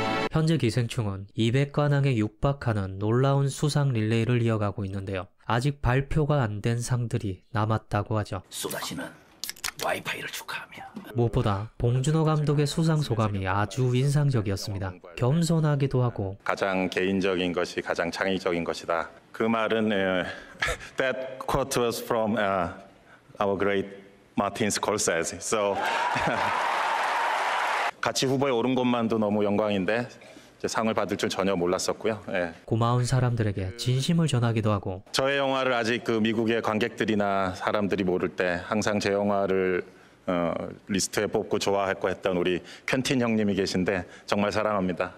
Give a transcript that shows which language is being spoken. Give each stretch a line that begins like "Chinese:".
Korean: 현재 기생충은 200관왕에 육박하는 놀라운 수상 릴레이를 이어가고 있는데요. 아직 발표가 안 된 상들이 남았다고 하죠. 쏟아지는 와이파이를 축하하며. 무엇보다 봉준호 감독의 수상 소감이 아주 인상적이었습니다. 겸손하기도 하고 가장 개인적인 것이 가장 창의적인 것이다. 그 말은
English: that quote was from our great Martin Scorsese.
Korean: So 같이 후보에 오른 것만도 너무 영광인데 이제 상을 받을 줄 전혀 몰랐었고요. 예. 고마운 사람들에게 진심을 전하기도 하고 저의 영화를 아직 그 미국의 관객들이나 사람들이 모를 때 항상 제 영화를 리스트에 뽑고 좋아했고 했던 우리 켄틴 형님이 계신데 정말 사랑합니다.